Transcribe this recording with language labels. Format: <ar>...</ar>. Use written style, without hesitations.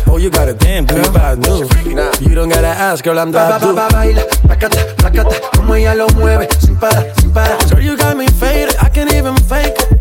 <en>Oh, you got a damn good bad news. You don't gotta ask, girl, I'm that dude.</en> <es>Baila, placata, placata, como ella lo mueve, sin parar, sin parar.</es> <en>Girl, you got me faded, I can't even fake it.</en>